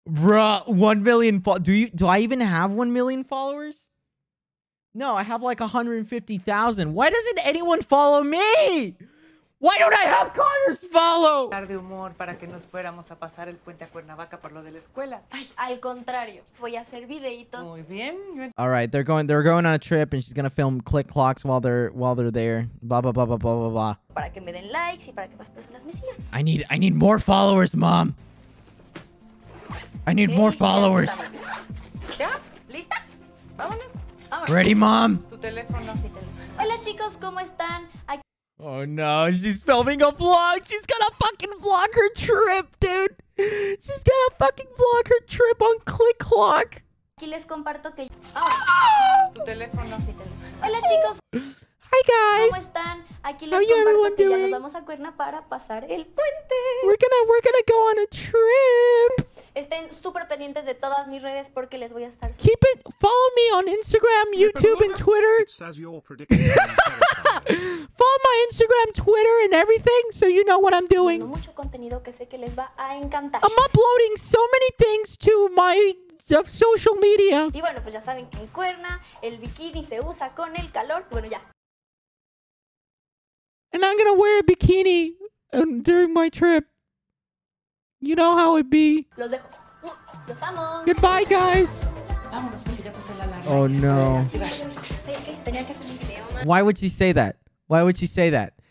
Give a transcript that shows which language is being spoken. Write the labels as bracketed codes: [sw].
[en] Bruh, 1,000,000 Do I even have 1,000,000 followers? No, I have like 150,000. Why doesn't anyone follow me? Why don't I have Connor's follow? [es] De humor para que nos fuéramos a pasar el puente a Cuernavaca por lo de la escuela. Ay, al contrario, voy a hacer videitos. Muy bien. [en] All right, they're going on a trip, and she's gonna film click clocks while they're there. Blah blah blah blah blah blah blah. [es] Para que me den likes y para que más personas me sigan. [en] I need more followers, mom. I need more followers. [es] Ya, lista. Vámonos. [en] Ready, mom. [es] Tu teléfono. Hola, chicos, ¿cómo están? [en] Oh no, she's filming a vlog. She's gonna fucking vlog her trip, dude. She's gonna fucking vlog her trip on Click Clock. [es] Aquí les comparto que. Tu teléfono. Hola, chicos. [en] Hi, guys. [es] ¿Cómo están? Aquí les comparto que ya nos vamos a Cuerna para pasar el puente. [en] We're gonna go on a trip. [es] Estén súper pendientes de todas mis redes porque les voy a estar. [en] Keep it. Follow me on Instagram, YouTube, and Twitter. Follow my Instagram, Twitter, and everything so you know what I'm doing. [es] Mucho contenido que sé que les va a encantar. [en] I'm uploading so many things to my social media. [es] Y bueno, pues ya saben que en Cuerna el bikini se usa con el calor. Bueno, ya. [en] And I'm gonna wear a bikini during my trip. You know how it be. [es] Los dejo. Los amo. [en] Goodbye, guys. [es] Vámonos, porque ya puse la alarma. [en] Oh, no. [es] Tenía que hacer un video. [en] Why would she say that? Why would she say that?